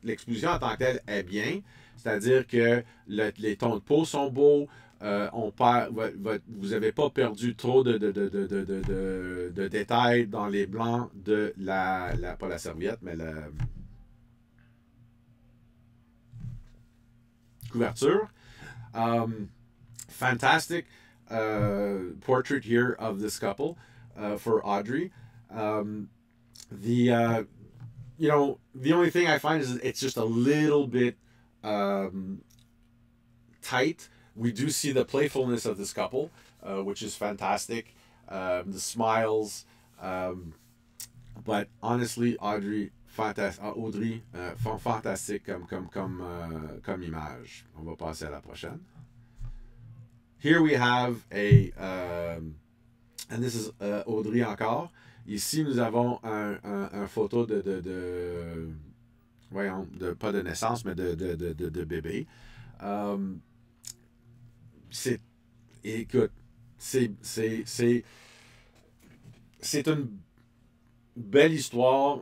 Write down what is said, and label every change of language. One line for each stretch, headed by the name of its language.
French: L'exposition en tant que telle est bien. C'est-à-dire que les tons de peau sont beaux. Vous n'avez pas perdu trop de détails dans les blancs de pas la serviette, mais la couverture.
English: Fantastic portrait here of this couple for Audrey. The only thing I find is it's just a little bit tight. We do see the playfulness of this couple, which is fantastic. The smiles. But honestly, Audrey, fantastic
French: comme image. On va passer à la prochaine.
English: Here we have and this is Audrey encore.
French: Ici, nous avons un photo pas de naissance, mais de bébé. C'est une belle histoire.